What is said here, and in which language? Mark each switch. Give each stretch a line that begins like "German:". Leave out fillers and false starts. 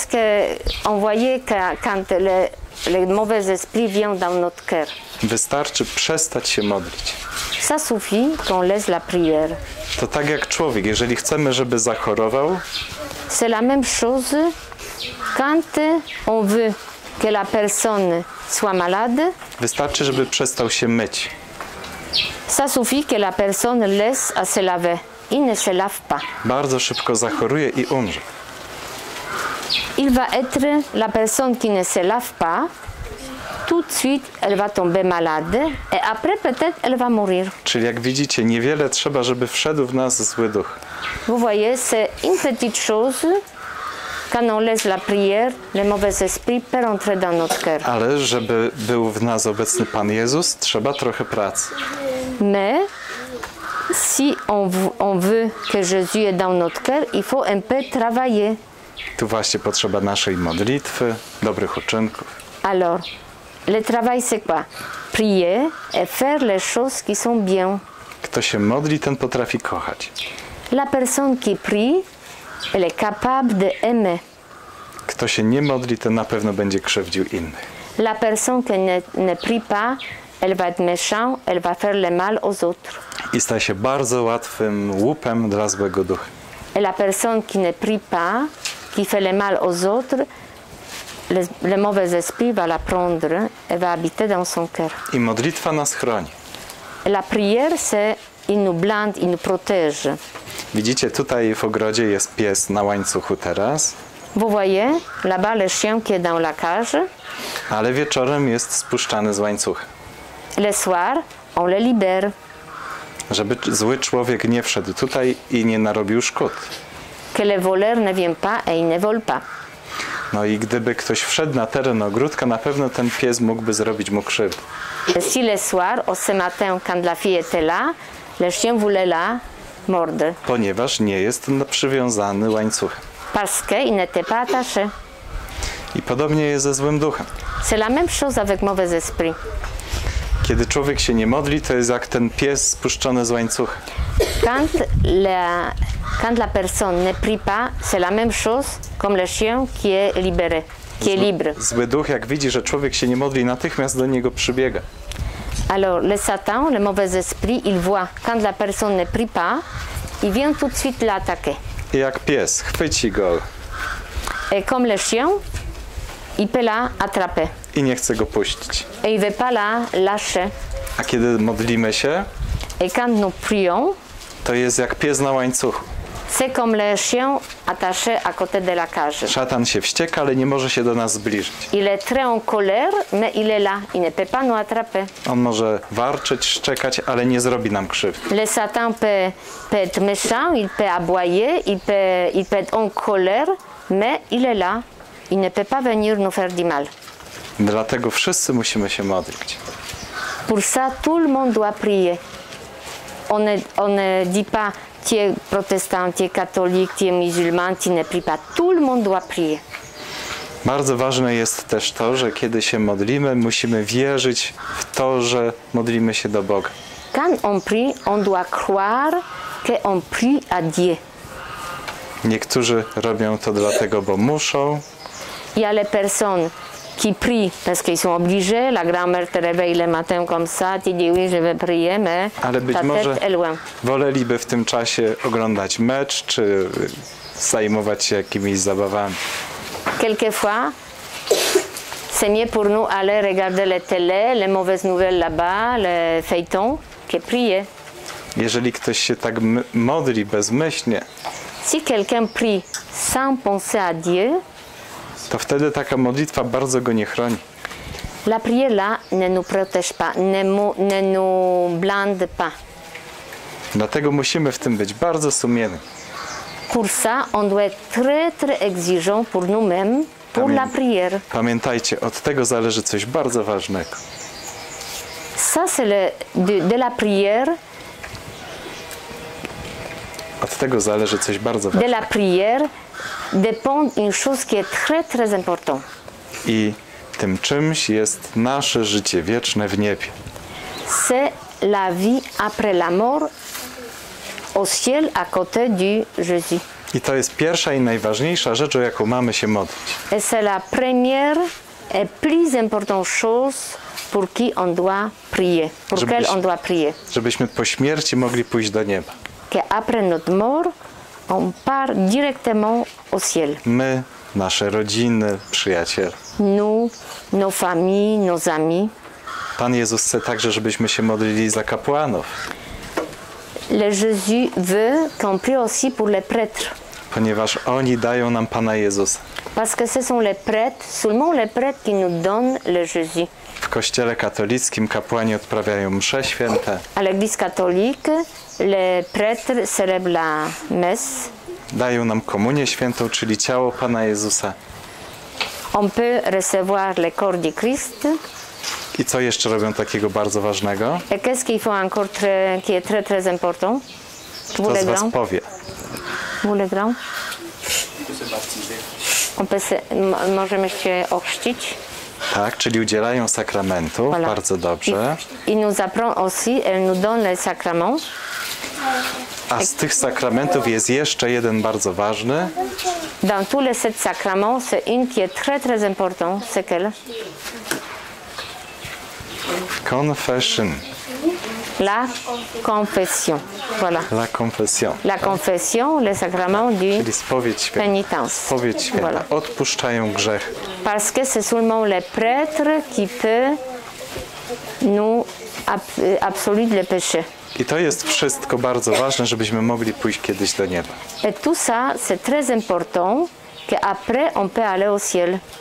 French: Qu'est-ce qu'on voit quand le mauvais esprit vient dans notre cœur?
Polish: Wystarczy przestać się modlić.
French: Ça suffit qu'on laisse la prière.
Polish: To tak jak człowiek, jeżeli chcemy, żeby zachorował.
French: C'est la même chose quand on veut que la personne soit malade.
Polish: Wystarczy, żeby przestał się myć.
French: Ça suffit que la personne laisse à se laver. Il ne se lave pas.
Polish: Bardzo szybko zachoruje i umrze.
French: Il va être la personne qui ne se lave pas tout tout de suite elle va tomber malade et après peut-être elle va mourir.
Polish: Czyli jak widzicie, niewiele trzeba, żeby wszedł w nas zły duch.
French: Vous voyez, c'est une petite chose. Quand on laisse la prière, le mauvais esprit peut rentrer dans notre cœur.
Polish: Ale żeby był w nas obecny Pan Jezus, trzeba trochę pracy.
French: Mais si on veut que Jésus est dans notre cœur, il faut un peu travailler.
Polish: Tu właśnie potrzeba naszej modlitwy, dobrych uczynków.
French: Alors, le travail c'est quoi? Prier et faire les choses qui sont bien.
Polish: Kto się modli, ten potrafi kochać.
French: La personne qui prie, elle est capable de aimer.
Polish: Kto się nie modli, ten na pewno będzie krzywdził innych.
French: La personne qui ne prie pas, elle va être méchante, elle va faire le mal aux autres.
Polish: I staje się bardzo łatwym łupem dla złego ducha.
French: Et la personne qui ne prie pas, qui fait le mal aux autres, le mauvais esprit va la prendre et va habiter dans son cœur.
Polish: I modlitwa nas chroni.
French: La prière, c'est il nous blinde, il nous protège.
Polish: Widzicie, tutaj w ogrodzie jest pies na łańcuchu teraz.
French: Vous voyez, là-bas le chien qui est dans la cage.
Polish: Ale wieczorem jest spuszczany z łańcucha.
French: Le soir, on le libère.
Polish: Żeby zły człowiek nie wszedł tutaj i nie narobił szkód.
French: Que le voleur ne vient pas et il ne vole pas.
Polish: No i gdyby ktoś wszedł na teren ogródka, na pewno ten pies mógłby zrobić mu krzywdę.
French: Si le soir, au ce matin, quand la fille était là, le chien voulait la mordre.
Polish: Ponieważ nie jest przywiązany łańcuchem.
French: Parce qu'il n'était pas attaché.
Polish: I podobnie jest ze złym duchem.
French: C'est la même chose avec mauvais esprit.
Polish: Kiedy człowiek się nie modli, to jest jak ten pies spuszczony z łańcucha.
French: Quand la personne ne prie pas, c'est la même chose comme le chien qui est libéré, qui est libre.
Polish: Zły duch, jak widzi, że człowiek się nie modli, natychmiast do niego przybiega.
French: Alors, le Satan, le mauvais esprit, il voit quand la personne ne prie pas, il vient tout de suite l'attaquer.
Polish: I jak pies, chwyci go.
French: Et comme le chien, il peut la attraper.
Polish: I nie chce go puścić.
French: Et il veut pas la lâcher.
Polish: A kiedy modlimy się?
French: Et quand nous prions,
Polish: to jest jak pies na łańcuchu.
French: C'est comme le chien attaché à côté de la cage.
Polish: Szatan się wścieka, ale nie może się do nas zbliżyć.
French: Il est très en colère, mais il est là, il ne peut pas nous attraper.
Polish: On może warczeć, szczekać, ale nie zrobi nam krzywdy.
French: Le Satan peut être méchant, il peut aboyer, il peut être en colère, mais il est là, il ne peut pas venir nous faire du mal.
Polish: Dlatego wszyscy musimy się modlić.
French: Pour ça, tout le monde doit prier. On ne dit pas tu es protestant, tu es catholique, tu es musulman, tu ne prie pas. Tout le monde doit prier.
Polish: Bardzo ważne jest też to, że kiedy się modlimy, musimy wierzyć w to, że modlimy się do Boga.
French: Quand on prie, on doit croire que on prie à Dieu.
Polish: Niektórzy robią to dlatego, bo muszą.
French: Il y a les personnes qui prient parce qu'ils sont obligés. La grand-mère te réveille le matin comme ça, tu dis oui, je vais prier, mais ta tête est loin.
Polish: Woleliby w tym czasie oglądać mecz czy zajmować się jakimiś zabawami.
French: Quelquefois, c'est mieux pour nous aller regarder la télé, les mauvaises nouvelles là-bas, le feuilleton, que prier.
Polish: Jeżeli ktoś się tak modli bezmyślnie.
French: Si quelqu'un prie sans penser à Dieu,
Polish: to wtedy taka modlitwa bardzo go nie chroni.
French: La prière là ne nous protège pas, ne nous blinde pas.
Polish: Dlatego musimy w tym być bardzo sumienni.
French: Pour ça, on doit être très très exigeant pour nous-mêmes, pour la prière.
Polish: Pamiętajcie, od tego zależy coś bardzo ważnego.
French: Ça c'est de la prière.
Polish: Od tego zależy coś bardzo ważnego.
French: De la prière dépend une chose qui est très très important.
Polish: I tym czymś jest nasze życie wieczne w niebie.
French: C'est la vie après la mort au ciel à côté du Jésus.
Polish: I to jest pierwsza i najważniejsza rzecz, o jaką mamy się modlić.
French: Et c'est la première et plus importante chose pour qui on doit prier. Pour quelle on doit prier.
Polish: Żebyśmy po śmierci mogli pójść do nieba.
French: Que après notre mort, on part directement au ciel.
Polish: My, nasze rodziny, przyjaciele.
French: Nous, nos familles, nos amis.
Polish: Pan Jezus chce także, żebyśmy się modlili za kapłanów.
French: Le Jésus veut qu'on prie aussi pour les prêtres.
Polish: Ponieważ oni dają nam Pana Jezusa.
French: Parce que ce sont les prêtres, seulement les prêtres qui nous donnent le Jésus.
Polish: W kościele katolickim kapłani odprawiają msze święte.
French: A l'église catholique, les prêtres célèbrent la messe.
Polish: Dają nam komunię świętą, czyli ciało Pana Jezusa.
French: On peut recevoir le corps du Christ.
Polish: I co jeszcze robią takiego bardzo ważnego?
French: Et qu'est-ce qu'ils font encore très, qui est très très important?
Polish: Kto z was powie?
French: On peut se,
Polish: możemy się ochrzcić. Tak, czyli udzielają sakramentów, voilà. Bardzo dobrze.
French: I nous apprend aussi, elle nous donne les sacrements.
Polish: A z tych sakramentów jest jeszcze jeden bardzo ważny.
French: Dans tous les sept sacrements, c'est un qui est très très important, c'est quel? Confession. La confession. Voilà. La confession. La confession, le sacrement du
Polish: pénitence. Spowiedź święta. Voilà. Odpuszczają grzech.
French: Parce que c'est seulement le prêtre qui peut nous absoudre le péché.
Polish: I to jest wszystko bardzo ważne, żebyśmy mogli pójść kiedyś do nieba.
French: Et tout ça, c'est très important que après on peut aller au ciel.